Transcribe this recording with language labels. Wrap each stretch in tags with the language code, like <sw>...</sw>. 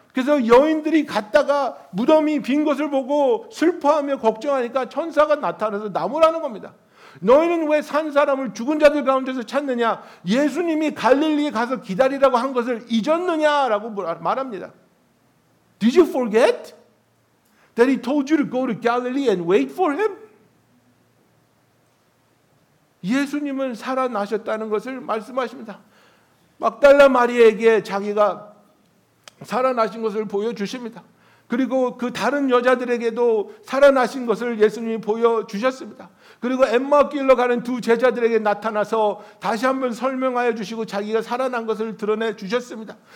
<ko>그래서 여인들이 갔다가 무덤이 빈 것을 보고 슬퍼하며 걱정하니까 천사가 나타나서 나무라는 겁니다. 너희는 왜 산 사람을 죽은 자들 가운데서 찾느냐? 예수님이 갈릴리에 가서 기다리라고 한 것을 잊었느냐라고 말합니다.</ko> <en>Did you forget that he told you to go to Galilee and wait for him?</en> <ko>예수님은 살아나셨다는 것을 말씀하십니다. 막달라 마리아에게 자기가 살아나신 것을 보여주십니다. 그리고 그 다른 여자들에게도 살아나신 것을 예수님이 보여주셨습니다. 그리고 엠마길로 가는 두 제자들에게 나타나서 다시 한번 설명하여 주시고 자기가 살아난 것을 드러내 주셨습니다.</ko>